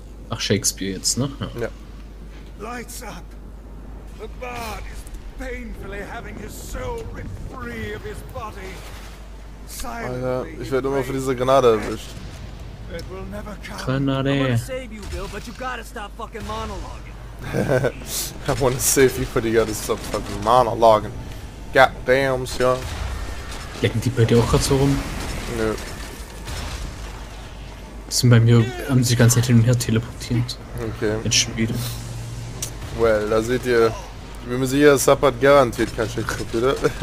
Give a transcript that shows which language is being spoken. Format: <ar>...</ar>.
<de>Ach, Shakespeare jetzt, ne? Ja. Ja.</de> <en>Lights up! The bard is painfully having his soul ripped free of his body.</en> <de>Alter, ich werde immer für diese Granate erwischt.</de> <en>It will never come. Granate. I'm gonna save you, Bill, but you gotta stop fucking monologuing. I wanna save you, but you gotta stop fucking monologuing. Goddamn, sir.</en> <de>Lecken die bei dir auch gerade so rum? Nö. Die sind bei mir, haben sie die ganze Zeit hin und her teleportiert. Okay. Jetzt schon wieder. Well, da seht ihr. Ich bin mir sicher, Sub hat garantiert kein schlechtes Computer.</de>